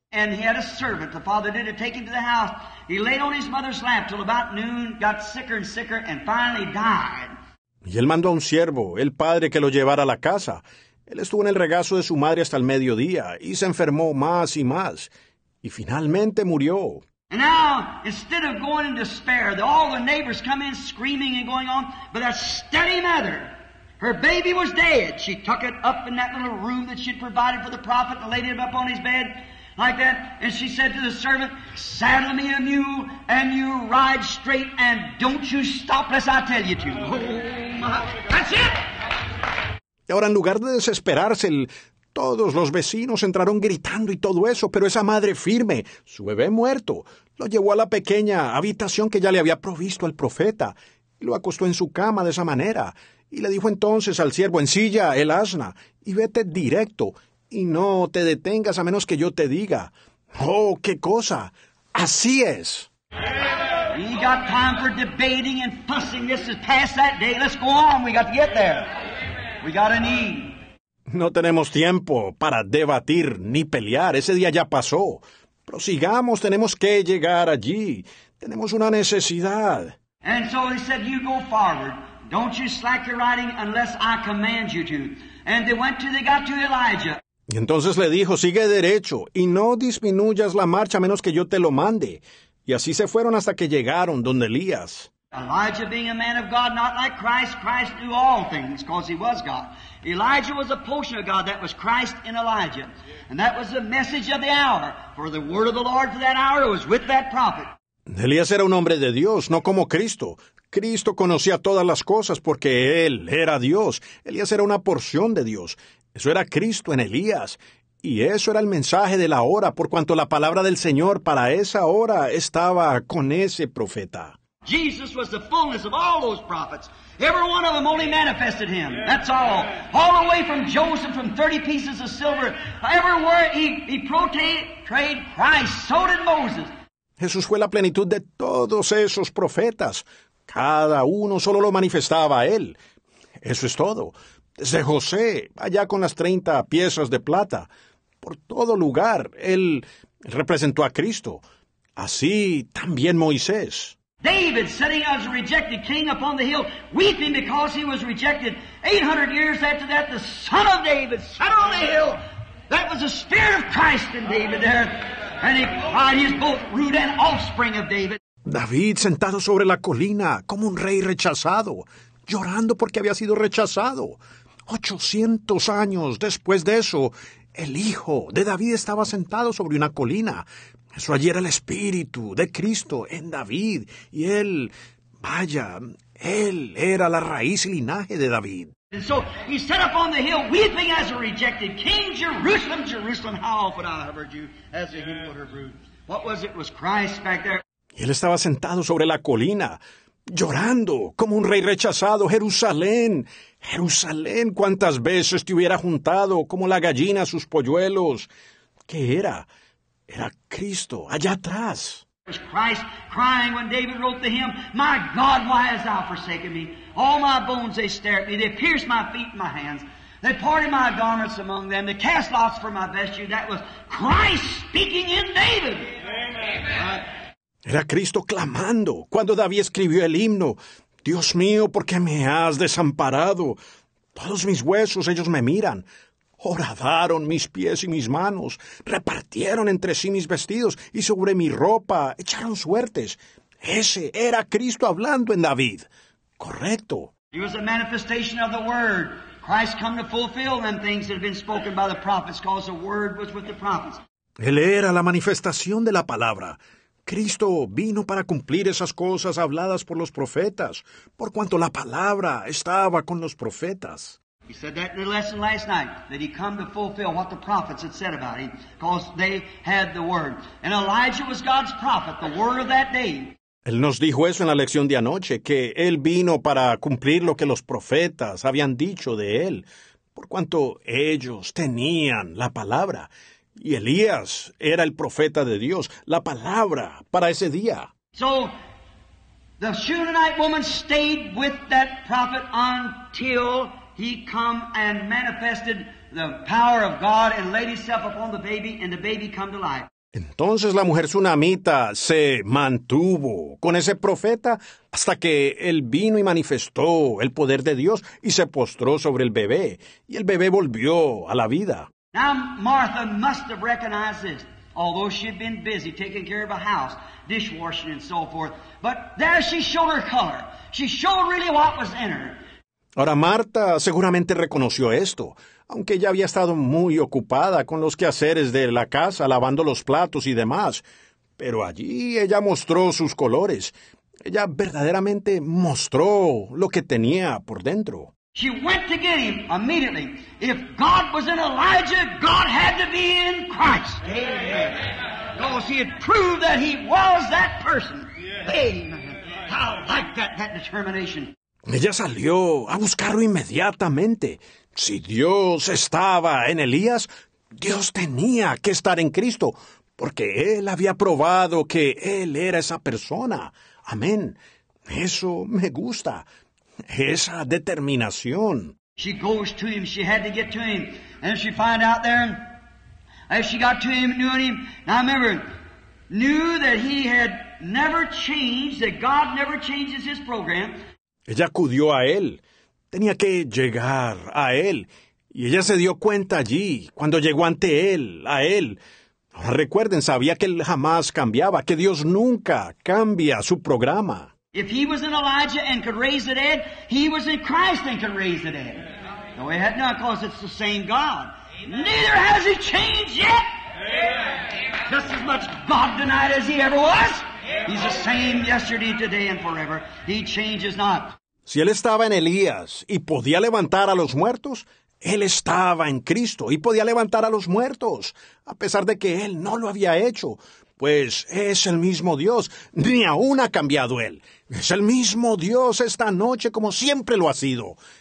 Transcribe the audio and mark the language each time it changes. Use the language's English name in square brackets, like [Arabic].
[English] And he had a servant. The father did it, take him to the house. He laid on his mother's lap till about noon, got sicker and sicker, and finally died. [Spanish] Y él mandó a un siervo, el padre, que lo llevara a la casa. Él estuvo en el regazo de su madre hasta el mediodía y se enfermó más y más. Y finalmente murió. [English] And now, instead of going in despair, all the neighbors come in screaming and going on, but a steady mother, her baby was dead. She took it up in that little room that she'd provided for the prophet and laid it up on his bed like that. And she said to the servant, saddle me a mule and you ride straight and don't you stop unless I tell you to. Oh, my. That's it! [Spanish] Y ahora, en lugar de desesperarse, todos los vecinos entraron gritando y todo eso, pero esa madre firme, su bebé muerto, lo llevó a la pequeña habitación que ya le había provisto al profeta y lo acostó en su cama de esa manera. Y le dijo entonces al siervo, ensilla el asna y vete directo y no te detengas a menos que yo te diga. ¡Oh, qué cosa! ¡Así es! [English] We got time for debating and fussing. This is past that day. Let's go on. We got to get there. We got a need. [Spanish] No tenemos tiempo para debatir ni pelear. Ese día ya pasó. Prosigamos. Tenemos que llegar allí. Tenemos una necesidad. [English] And so he said, you go forward. Don't you slack your riding unless I command you to. And they went till they got to Elijah. [Spanish] Y entonces le dijo, sigue derecho y no disminuyas la marcha a menos que yo te lo mande. Y así se fueron hasta que llegaron donde Elías. [English] Elijah being a man of God, not like Christ. Christ knew all things because he was God. Elijah was a portion of God. That was Christ in Elijah. And that was the message of the hour. For the word of the Lord for that hour was with that prophet. [Spanish] Elías era un hombre de Dios, no como Cristo. Cristo conocía todas las cosas porque él era Dios. Elías era una porción de Dios. Eso era Cristo en Elías. Y eso era el mensaje de la hora, por cuanto la palabra del Señor para esa hora estaba con ese profeta. [English] Jesus was the fullness of all those prophets. Every one of them only manifested him. That's all. All the way from Joseph, from 30 pieces of silver. Everywhere he portrayed Christ, so did Moses. [Spanish] Jesús fue la plenitud de todos esos profetas. Cada uno solo lo manifestaba a él. Eso es todo. Desde José, allá con las 30 piezas de plata. Por todo lugar, él representó a Cristo. Así también Moisés. [English] David, sitting as a rejected king upon the hill, weeping because he was rejected. 800 years after that, the son of David sat on the hill. That was the spirit of Christ in David there. And he cried, he is both root and offspring of David. [Spanish] David, sentado sobre la colina, como un rey rechazado, llorando porque había sido rechazado. 800 años después de eso, el hijo de David estaba sentado sobre una colina. Eso allí era el espíritu de Cristo en David. Y él, vaya, él era la raíz y linaje de David. [English] And so he sat up on the hill, weeping as a rejected king, Jerusalem, Jerusalem, how often I have heard you as a hymn would have root. What was it? Was Christ back there? [Spanish] Y él estaba sentado sobre la colina, llorando como un rey rechazado. Jerusalén, Jerusalén, cuántas veces te hubiera juntado como la gallina a sus polluelos. ¿Qué era? Era Cristo allá atrás. [English] It was Christ crying when David wrote the hymn, my God, why hast thou forsaken me? All my bones, they stare at me. They pierced my feet and my hands. They parted my garments among them. They cast lots for my vesture. That was Christ speaking in David. Amen. [Spanish] Era Cristo clamando cuando David escribió el himno. Dios mío, ¿por qué me has desamparado? Todos mis huesos, ellos me miran. Horadaron mis pies y mis manos. Repartieron entre sí mis vestidos y sobre mi ropa echaron suertes. Ese era Cristo hablando en David. Correcto. [English] He was a manifestation of the word. Christ come to fulfill them things that have been spoken by the prophets, because the word was with the prophets. [Spanish] Él era la manifestación de la palabra. Cristo vino para cumplir esas cosas habladas por los profetas, por cuanto la palabra estaba con los profetas. [English] He said that little lesson last night, that he came to fulfill what the prophets had said about him, because they had the word. And Elijah was God's prophet, the word of that day. [Spanish] Él nos dijo eso en la lección de anoche, que él vino para cumplir lo que los profetas habían dicho de él, por cuanto ellos tenían la palabra. Y Elías era el profeta de Dios, la palabra para ese día. [English] So, the Shunammite woman stayed with that prophet until he come and manifested the power of God and laid himself upon the baby, and the baby come to life. [Spanish] Entonces la mujer sunamita se mantuvo con ese profeta hasta que él vino y manifestó el poder de Dios y se postró sobre el bebé, y el bebé volvió a la vida. [English] Now Martha must have recognized this, although she had been busy taking care of a house, dishwashing and so forth, but there she showed her color. She showed really what was in her. [Spanish] Ahora, Marta seguramente reconoció esto, aunque ya había estado muy ocupada con los quehaceres de la casa, lavando los platos y demás. Pero allí ella mostró sus colores. Ella verdaderamente mostró lo que tenía por dentro. [English] She went to get him immediately. If God was in Elijah, God had to be in Christ. Amen. Because he had proved that he was that person. Amen. How like that determination. [Spanish] Ella salió a buscarlo inmediatamente. Si Dios estaba en Elías, Dios tenía que estar en Cristo, porque él había probado que él era esa persona. Amén. Eso me gusta, esa determinación. [English] She goes to him, she had to get to him. And she find out there, as she got to him, knew him. Now remember, knew that he had never changed, that God never changes his program. [Spanish] Ella acudió a él, tenía que llegar a él, y ella se dio cuenta allí, cuando llegó ante él, a él. Recuerden, sabía que él jamás cambiaba, que Dios nunca cambia su programa. [English] If he was in Elijah and could raise the dead, he was in Christ and could raise the dead. No, he had not, because it's the same God. Amen. Neither has he changed yet. Amen. Just as much God tonight as he ever was. He's the same yesterday, today, and forever. He changes not. [Spanish] Si él estaba en Elías y podía levantar a los muertos, él estaba en Cristo y podía levantar a los muertos, a pesar de que él no lo había hecho, pues es el mismo Dios. Ni aún ha cambiado él. Es el mismo Dios esta noche como siempre lo ha sido.